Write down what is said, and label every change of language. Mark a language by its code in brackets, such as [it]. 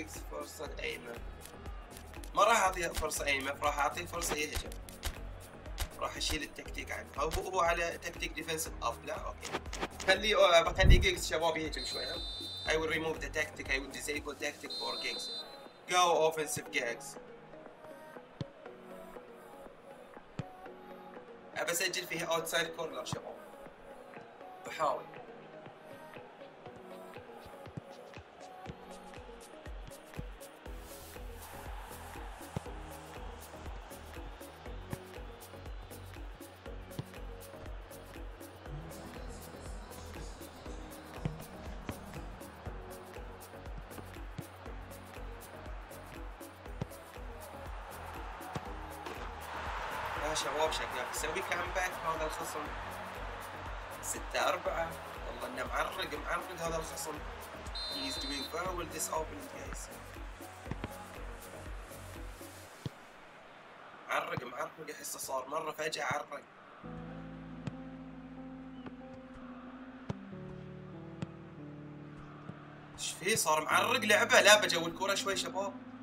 [ar] فرصة ايمن, ما راح اعطيه فرصة ايمن, راح اعطيه فرصة يهجم, راح اشيل التكتيك عنه. هو على تكتيك [en] Defensive off. [ar] لا اوكي, بخلي جيجز شباب يهجم شوية. [en] I will remove the tactic, I will disable the tactic for gigs. Go offensive gigs. [ar] ابى اسجل فيها [en] outside corner [ar] شباب, بحاول. شباب شكلك سوي كامباك هذا الخصم. 6-4 والله انه معرق هذا الخصم. [en] He is doing very well this opening guys. [ar] معرق احسه صار مره فجاه عرق. ايش فيه صار معرق لعبه؟ لا بجول الكوره شوي شباب.